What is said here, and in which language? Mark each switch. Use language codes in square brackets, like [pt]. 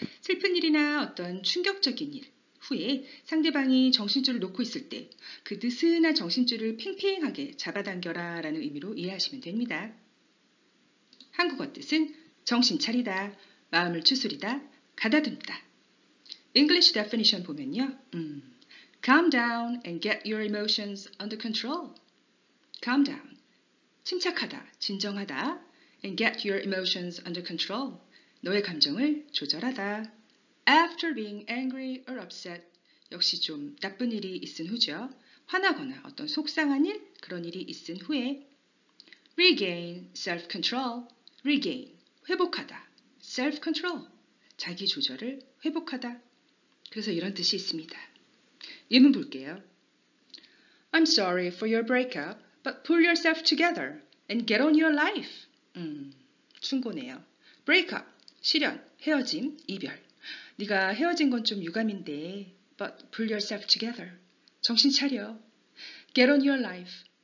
[ko] 슬픈 일이나 어떤 충격적인 일 후에 상대방이 정신줄을 놓고 있을 때 그 느슨한 정신줄을 팽팽하게 잡아당겨라 라는 의미로 이해하시면 됩니다. 한국어 뜻은 정신 차리다, 마음을 추스리다, 가다듬다. [en] English definition [ko] 보면요. [en] Calm down and get your emotions under control. Calm down. [ko] 침착하다, 진정하다. [en] And get your emotions under control. [ko] 너의 감정을 조절하다. [en] After being angry or upset. [ko] 역시 좀 나쁜 일이 있은 후죠. 화나거나 어떤 속상한 일, 그런 일이 있은 후에. [en] Regain self-control. Regain. [ko] 회복하다. [en] Self-control. [ko] 자기 조절을 회복하다. 그래서 이런 뜻이 있습니다. 예문 볼게요. [en] I'm sorry for your breakup, but pull yourself together and get on your life. [ko] 충고네요. Breakup. 실연. 헤어짐. 이별. 네가 헤어진 건 좀 유감인데, [en] but pull yourself together. [ko] 정신 차려. [en] Get on your life.